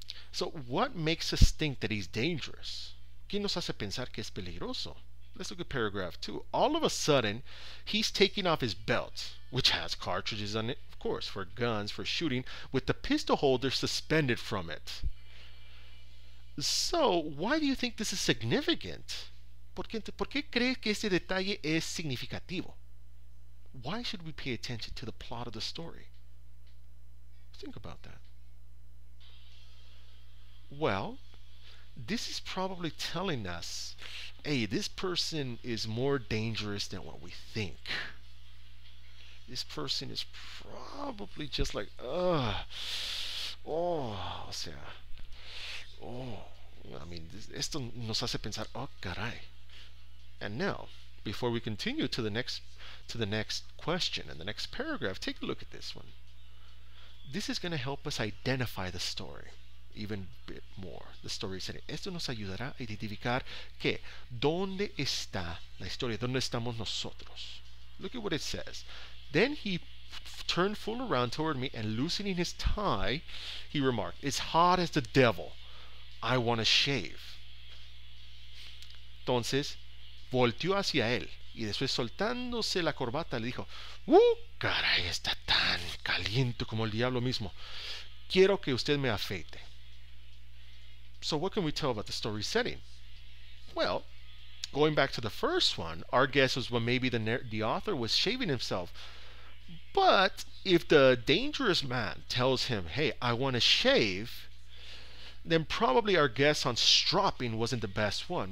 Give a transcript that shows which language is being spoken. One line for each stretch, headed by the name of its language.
English: So what makes us think that he's dangerous?
Spanish: ¿Qué nos hace pensar que es peligroso?
English: Let's look at paragraph two. All of a sudden, he's taking off his belt, which has cartridges on it, of course, for guns, for shooting, with the pistol holder suspended from it. So, why do you think this is significant?
Spanish: ¿Por qué crees que este detalle es significativo?
English: Why should we pay attention to the plot of the story? Think about that. Well, this is probably telling us, hey, this person is more dangerous than what we think. This person is probably just like,
Spanish: esto nos hace pensar, oh, caray.
English: And now, before we continue to the next question and the next paragraph, take a look at this one. This is going to help us identify the story even bit more. The story is saying,
Spanish: esto nos ayudará a identificar que dónde está la historia, dónde estamos nosotros.
English: Look at what it says. Then he turned full around toward me and loosening his tie, he remarked, it's hot as the devil. I want to shave.
Spanish: Entonces, volteó hacia él y después soltándose la corbata le dijo, ¡uh, caray, está tan caliente como el diablo mismo! Quiero que usted me afeite.
English: So what can we tell about the story setting? Well, going back to the first one, our guess was, well, maybe the author was shaving himself. But if the dangerous man tells him, hey, I want to shave, then probably our guess on stropping wasn't the best one.